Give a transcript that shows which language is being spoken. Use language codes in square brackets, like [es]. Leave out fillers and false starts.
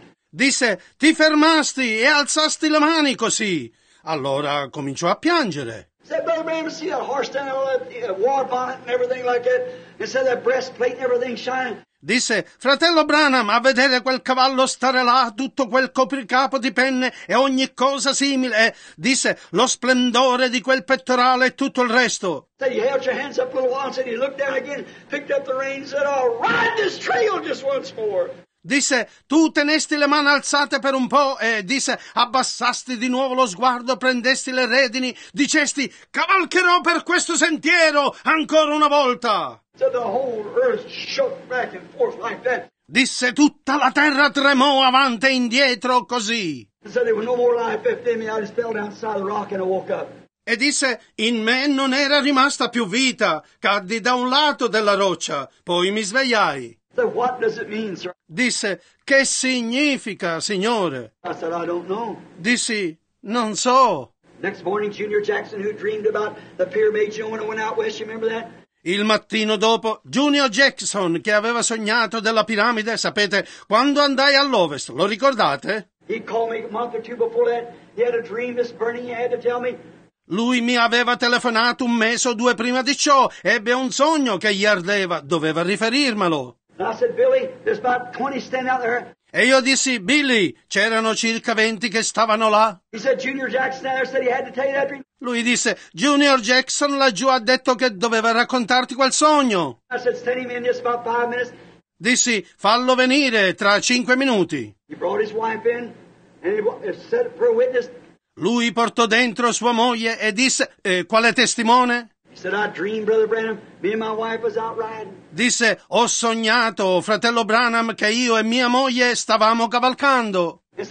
[it] Disse, ti fermasti e alzasti le mani così. Allora cominciò a piangere. [en] Said, Brother Bram, see that horse down all that war bonnet and everything like that, and said that breastplate and everything shining. [it] Disse, fratello Branham, a vedere quel cavallo stare là, tutto quel copricapo di penne e ogni cosa simile, e disse, lo splendore di quel pettorale e tutto il resto. [en] Said, you held your hands up a little while, said, you looked down again, picked up the reins, said, I'll ride this trail just once more. [it] Disse, tu tenesti le mani alzate per un po', e disse, abbassasti di nuovo lo sguardo, prendesti le redini, dicesti, cavalcherò per questo sentiero ancora una volta. [en] So the whole earth shook back and forth like that. [it] Disse, tutta la terra tremò avanti e indietro così. [en] So there was no more life left in me, I just fell down the side of the rock and I woke up. [it] E disse, in me non era rimasta più vita, caddi da un lato della roccia, poi mi svegliai. [en] So what does it mean, sir? [it] Disse, che significa, signore? [en] I said, I don't know. [it] Dissi, non so. [en] Next morning, Junior Jackson, who dreamed about the pyramid, you know, when I went out west, you remember that? [it] Il mattino dopo, Junior Jackson, che aveva sognato della piramide, sapete, quando andai all'ovest, lo ricordate? [en] He called me a month or two before that, he had a dream, this burning he had to tell me. [it] Lui mi aveva telefonato un mese o due prima di ciò, ebbe un sogno che gli ardeva, doveva riferirmelo. [en] I said, Billy, there's about 20 standing out there. [it] E io dissi, Billy, c'erano circa 20 che stavano là. [en] He said, Junior Jackson there said he had to tell you that dream. [it] Lui disse, Junior Jackson laggiù ha detto che doveva raccontarti quel sogno. [en] I said, stand him in just about 5 minutes. [it] Dissi, fallo venire tra 5 minuti. [en] He brought his wife in and he said for a witness. [it] Lui portò dentro sua moglie e disse, quale testimone? [en] Said, I dreamed, Brother Branham, me and my wife was out riding. [it] Disse, ho sognato, fratello Branham, che io e mia moglie stavamo cavalcando.